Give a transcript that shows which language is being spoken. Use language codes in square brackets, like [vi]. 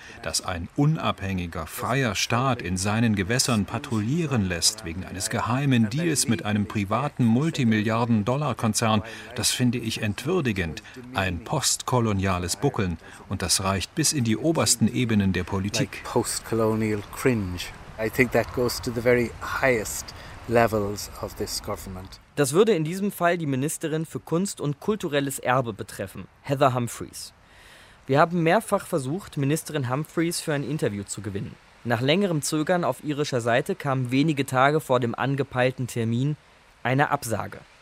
[de] Dass ein unabhängiger, freier Staat in seinen Gewässern patrouillieren lässt wegen eines geheimen Deals mit einem privaten Multimilliarden-Dollar-Konzern, das finde ich entwürdigend. Ein postkoloniales Buckeln. Und das reicht bis in die obersten Ebenen der Politik. [en] Postcolonial cringe. I think that goes to the very highest levels of this government. [de] Das würde in diesem Fall die Ministerin für Kunst und kulturelles Erbe betreffen, Heather Humphreys. Wir haben mehrfach versucht, Ministerin Humphreys für ein Interview zu gewinnen. Nach längerem Zögern auf irischer Seite kam wenige Tage vor dem angepeilten Termin eine Absage.